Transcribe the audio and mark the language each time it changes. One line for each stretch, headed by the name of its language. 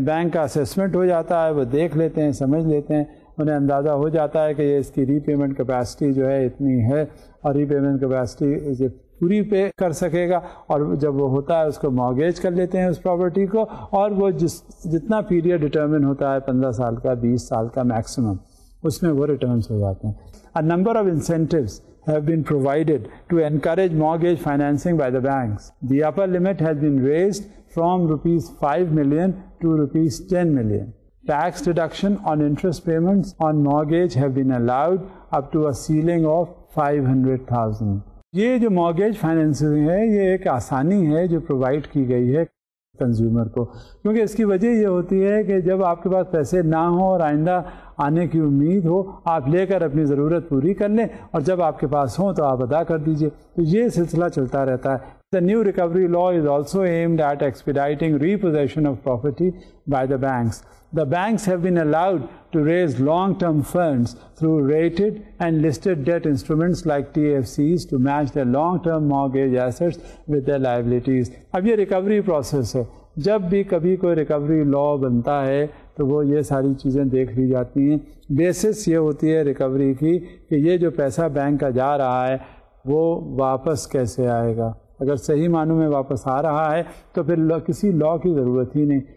Urdu: Bank کا assessment ہو جاتا ہے, وہ دیکھ لیتے ہیں, سمجھ لیتے ہیں, انہیں اندازہ ہو جاتا ہے کہ یہ اس کی ری پیمنٹ کیپیسٹی جو ہے اتنی ہے, اور ری پیمنٹ کیپیسٹی یہ پوری پے کر سکے گا, اور جب وہ ہوتا ہے اس کو مارگیج کر لیتے ہیں اس پراپرٹی کو, اور وہ جتنا پیریڈ ڈٹرمن ہوتا ہے 15 سال کا 20 سال کا میکسیمم, اس میں وہ ریٹرنس ہو جاتے ہیں.
English: A number of incentives have been provided to encourage mortgage financing by the banks. The upper limit has been raised from ₹5 million to ₹10 million. Tax deduction on interest payments on mortgage have been allowed up to a ceiling of 500,000.
Urdu: یہ جو mortgage financing ہے یہ ایک آسانی ہے جو provide کی گئی ہے consumer کو, کیونکہ اس کی وجہ یہ ہوتی ہے کہ جب آپ کے پاس پیسے نہ ہوں اور آئندہ آنے کی امید ہو, آپ لے کر اپنی ضرورت پوری کر لیں, اور جب آپ کے پاس ہوں تو آپ ادا کر دیجیے, تو یہ سلسلہ چلتا رہتا ہے.
English: The new recovery law is also aimed at expediting repossession of property by the banks. The banks have been allowed to raise long-term funds through rated and listed debt instruments like TFCs to match their long-term mortgage assets with their liabilities.
Urdu: اب یہ recovery process ہے, جب بھی کبھی کوئی recovery law بنتا ہے تو وہ یہ ساری چیزیں دیکھ لی جاتی ہیں. بیسس یہ ہوتی ہے recovery کی کہ یہ جو پیسہ بینک کا جا رہا ہے وہ واپس کیسے آئے گا. اگر صحیح معنوں میں واپس آ رہا ہے تو پھر کسی لا کی ضرورت ہی نہیں.